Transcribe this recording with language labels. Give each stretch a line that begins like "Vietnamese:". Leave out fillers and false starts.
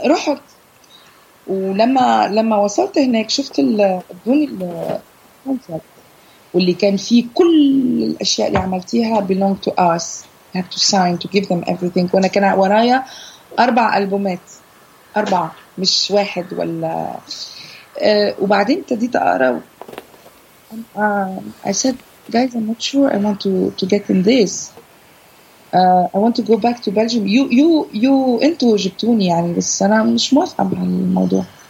Arabic: رحت ولما وصلت هناك شفت الدنيا واللي كان فيه كل الأشياء اللي عملتيها
English: belong to us. I have to sign to give them everything.
Arabic: وأنا كان ورايا أربع ألبومات, أربعة مش واحد ولا. وبعدين تديت أقرأ.
English: I said, guys, I'm not sure I want to get in this. I want to go back to Belgium.
Arabic: You أنتوا جبتوني يعني, بس أنا مش موافقة مع الموضوع.